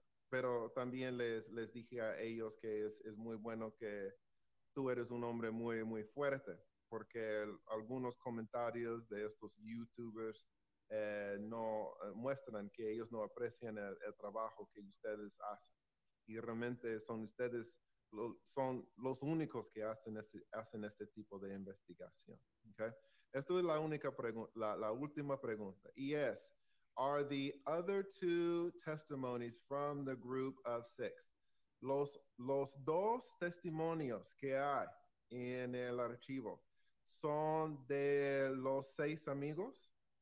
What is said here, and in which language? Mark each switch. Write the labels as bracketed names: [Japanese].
[Spanish] Pero también les dije a ellos que es muy bueno que tú eres un hombre muy, muy fuerte, porque algunos comentarios de estos YouTubers no muestran que ellos no aprecian el trabajo que ustedes hacen. Y realmente son ustedes, son los únicos que hacen este tipo de investigación. Okay? Esto es la única pregunta, la última pregunta. Y es, [English] are the other two testimonies from the group of six? [Spanish] Los dos testimonios que hay en el archivo son de los seis amigos.